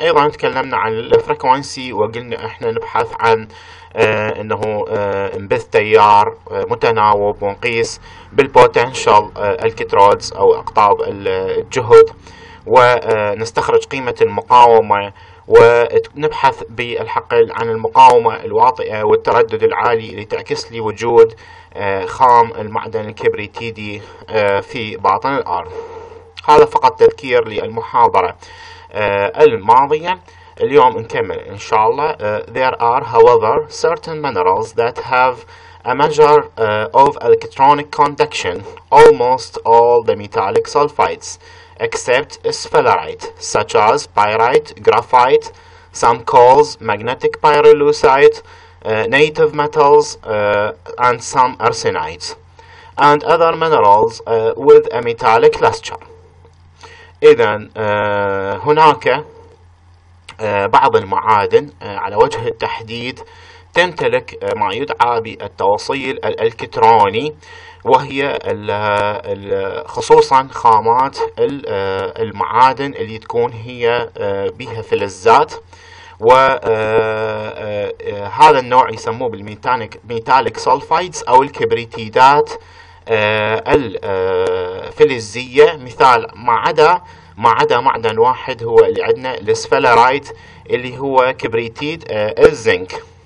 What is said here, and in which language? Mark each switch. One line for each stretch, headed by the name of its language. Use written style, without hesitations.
Arabic: ايضا تكلمنا عن الفريكوانسي وقلنا احنا نبحث عن انه نبث تيار متناوب ونقيس بالبوتنشال الكترودز او اقطاب الجهد ونستخرج قيمة المقاومة ونبحث بالحقل عن المقاومة الواطئة والتردد العالي اللي تعكس لي وجود خام المعدن الكبريتيدي في باطن الارض. هذا فقط تذكير للمحاضرة الماضية. اليوم نكمل إن شاء الله.
English: There are, however, certain minerals that have a measure of electronic conduction, almost all the metallic sulfides, except sphalerite, such as pyrite, graphite, some coals, magnetic pyrolusite, native metals, and some arsenite, and other minerals with a metallic luster.
Arabic: إذا هناك بعض المعادن على وجه التحديد تمتلك ما يدعى بالتوصيل الإلكتروني، وهي خصوصا خامات المعادن اللي تكون هي بها فلزات، وهذا النوع يسموه بالميتاليك سولفايدز أو الكبريتيدات الفلزية، مثال ما عدا معدن واحد هو اللي عندنا الاسفلرايت اللي هو كبريتيد الزنك.